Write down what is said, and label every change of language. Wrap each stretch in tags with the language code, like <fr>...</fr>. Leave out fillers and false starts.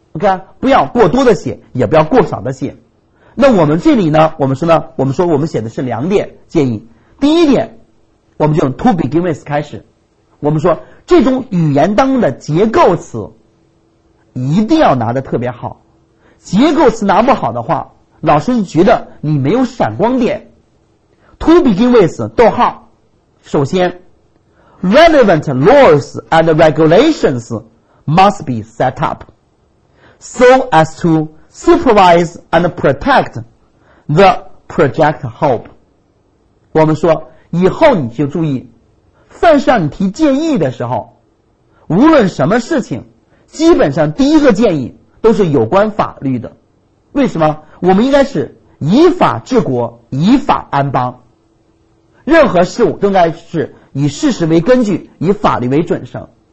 <zh>OK, 不要过多的写，也不要过少的写。那我们这里呢，我们说呢，我们说我们写的是两点建议。第一点，我们就用</zh> <en>to begin with</en> <zh>开始。我们说这种语言当中的结构词一定要拿得特别好。结构词拿不好的话，老师觉得你没有闪光点。</zh> <en>To begin with,</en> <zh>逗号，首先</zh> <en>relevant laws and regulations must be set up so as to supervise and protect the project hope.</en> <zh>我们说以后你就注意，凡是让你提建议的时候，无论什么事情，基本上第一个建议都是有关法律的。为什么？我们应该是以法治国，以法安邦，任何事物都应该是以事实为根据，以法律为准绳。</zh>